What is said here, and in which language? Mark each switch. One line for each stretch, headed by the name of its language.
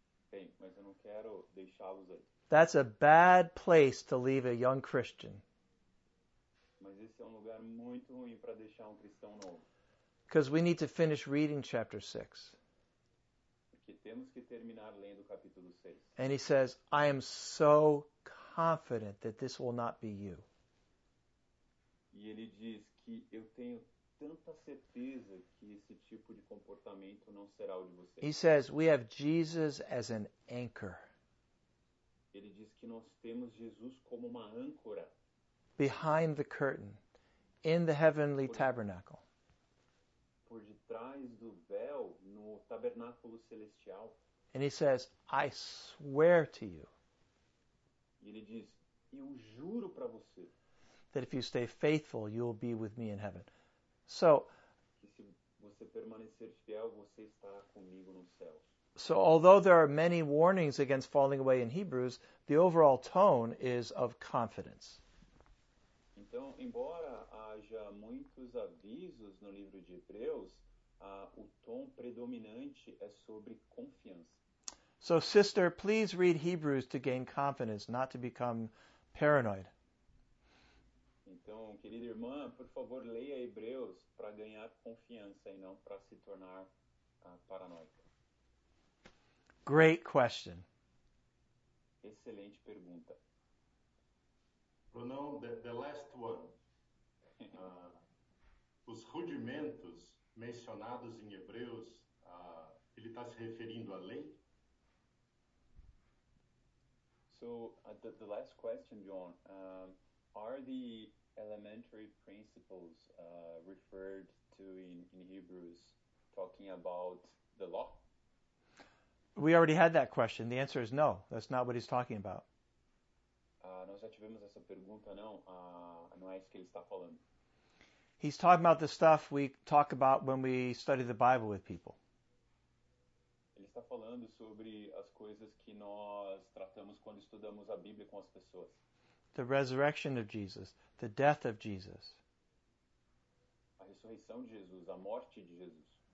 Portuguese: Bem, mas eu não quero deixá-los aí.
English: That's a bad place to leave a young Christian.
Portuguese: Mas esse é um lugar muito ruim para deixar um cristão novo.
English: Because we need to finish reading chapter 6.
Portuguese: Porque temos que terminar lendo o capítulo 6.
English: And he says, I am so confident that this will not be you.
Portuguese: E ele diz que eu tenho tanta certeza que esse tipo de comportamento não será o de vocês.
English: He says, we have Jesus as an anchor.
Portuguese: Ele diz que nós temos Jesus como uma âncora.
English: Behind the curtain, in the heavenly tabernacle.
Portuguese: Por detrás do véu, no tabernáculo celestial.
English: And he says, I swear to you.
Portuguese: E ele diz, eu juro para você.
English: That if you stay faithful, you will be with me in heaven. So,
Portuguese: se você permanecer fiel, você estará comigo no céu.
English: So, although there are many warnings against falling away in Hebrews, the overall tone is of confidence.
Portuguese: Então, embora haja muitos avisos no livro de Hebreus, o tom predominante é sobre confiança.
English: So, sister, please read Hebrews to gain confidence, not to become paranoid.
Portuguese: Então, querida irmã, por favor, leia Hebreus para ganhar confiança e não para se tornar paranoica.
English: Great question.
Portuguese: Excelente pergunta.
English: Bruno, the last one.
Portuguese: Os rudimentos mencionados em Hebreus, ele está se referindo à lei?
English: So the last question, John, are the elementary principles referred to in Hebrews talking about the law? We already had that question. The answer is no. That's not what he's talking about.
Portuguese: Nós já tivemos essa pergunta, não. Não é isso que ele está falando.
English: He's talking about the stuff we talk about when we study the Bible with people.
Portuguese: Ele está falando sobre as coisas que nós tratamos quando estudamos a Bíblia com as pessoas.
English: The resurrection of Jesus, the death of Jesus.
Portuguese: A ressurreição de Jesus, a morte de Jesus.